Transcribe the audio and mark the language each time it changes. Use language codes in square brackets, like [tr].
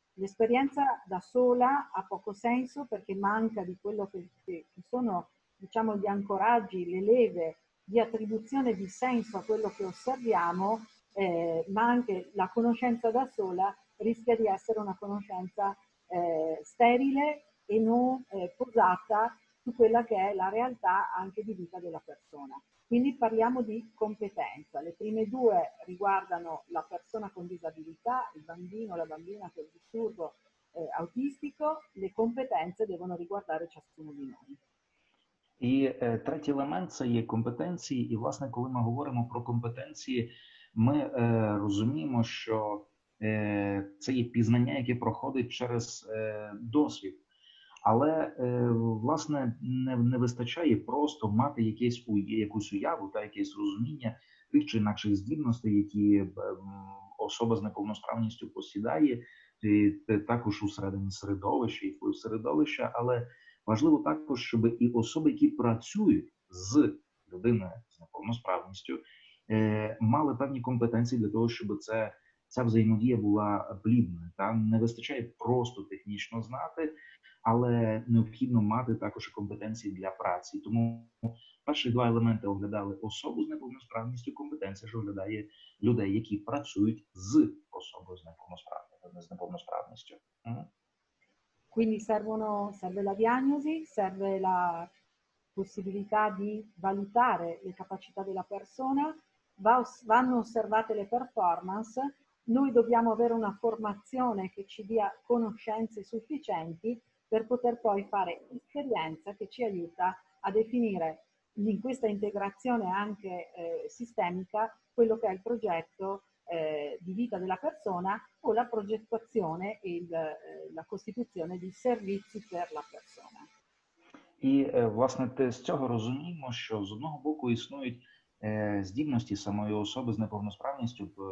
[it] L'esperienza da sola ha poco senso perché manca di quello che sono, diciamo, gli ancoraggi, le leve di attribuzione di senso a quello che osserviamo, ma anche la conoscenza da sola rischia di essere una conoscenza sterile e non posata su quella che è la realtà anche di vita della persona. Quindi parliamo di competenza. Le prime due riguardano la persona con disabilità, il bambino o la bambina con disturbo autistico. Le competenze devono riguardare ciascuno di noi. [uk] І третій елемент – це є компетенції. І, власне, коли ми говоримо про компетенції, ми розуміємо, що це є пізнання, яке проходить через досвід. Але, власне, не вистачає просто мати якусь уяву та якесь розуміння тих чи інакших здібностей, які особа з неповносправністю посідає, також у середині середовища, і впливу середовища, але важливо також, щоб і особи, які працюють з людиною з неповносправністю, мали певні компетенції для того, щоб ця взаємодія була плідною. Та не вистачає просто технічно знати, але необхідно мати також компетенції для праці. Тому перші два елементи оглядали особу з неповносправністю, компетенція ж оглядає людей, які працюють з особою з неповносправністю. [it] Quindi serve la diagnosi, serve la possibilità di valutare le capacità della persona, vanno osservate le performance, noi dobbiamo avere una formazione che ci dia conoscenze sufficienti per poter poi fare esperienza che ci aiuta a definire in questa integrazione anche sistemica quello che è il progetto di vita della persona o la progettazione e la costituzione di servizi per la persona. [uk] І, власне, з цього розуміємо, що з одного боку існують здібності самої особи з неповносправністю,